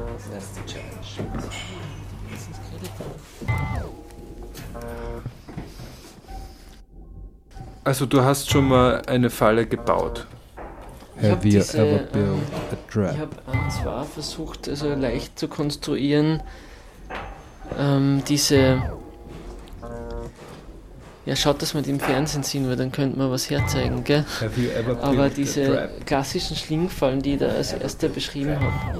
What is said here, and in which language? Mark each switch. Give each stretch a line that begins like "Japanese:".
English: That's the challenge.
German: Also, du hast schon mal eine Falle gebaut.
English: Have you ever built a trap?
German: Ich habe zwar versucht, also leicht zu konstruieren, diese. Ja, schaut, dass wir die im Fernsehen sehen, weil dann könnten wir was herzeigen, gell?
English: Have you ever
German: aber diese klassischen Schlingfallen, die ich da als erster beschrieben habe.